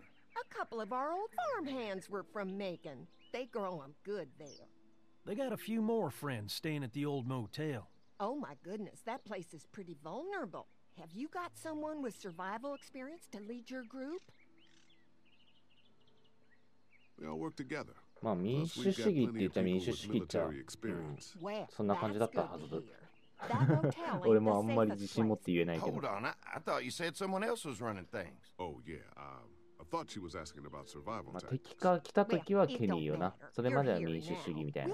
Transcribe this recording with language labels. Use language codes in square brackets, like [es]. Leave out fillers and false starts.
[en] A couple of our old farmhands were from Macon. They grow them good there. They got a few more friends staying at the old motel. Oh my goodness, that place is pretty vulnerable. Have you got someone with survival experience to lead your group? We all work together. [ja] まあ民主主義って言ったら民主主義じゃ、 well, そんな感じだったはずだ。俺もあんまり自信持って言えないけど。 [en] Hold on, I thought you said someone else was running things. Oh yeah, I thought she was asking about survival time. [ja] 敵が来た時はケニーよな。それまでは民主主義みたいな。